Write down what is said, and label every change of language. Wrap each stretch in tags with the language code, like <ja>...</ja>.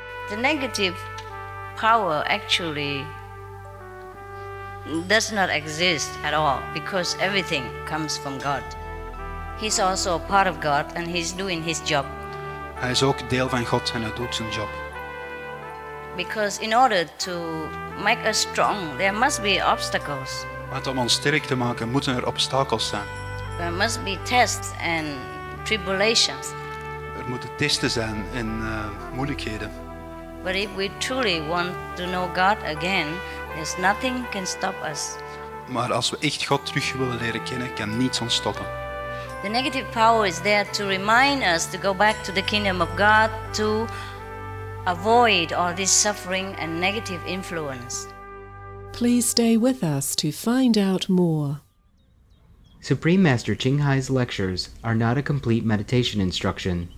<en>The negative power actually does not exist at all, because everything comes from God. He's also a part of God and he's doing his job.</en> <nl>Hij is ook deel van God en hij doet zijn job.</nl> <en>Because in order to make us strong, there must be obstacles.</en> <nl>Want om ons sterk te maken, moeten er obstakels zijn.</nl> <en>There must be tests and tribulations.</en> <nl>Er moeten testen zijn en moeilijkheden.</nl> <en>But if we truly want to know God again, there's nothing can stop us.</en> <nl>Maar als we echt God terug willen leren kennen, kan niets ons stoppen.</nl> <en>The negative power is there to remind us to go back to the kingdom of God, to avoid all this suffering and negative influence. Please stay with us to find out more. Supreme Master Qinghai's lectures are not a complete meditation instruction.</en>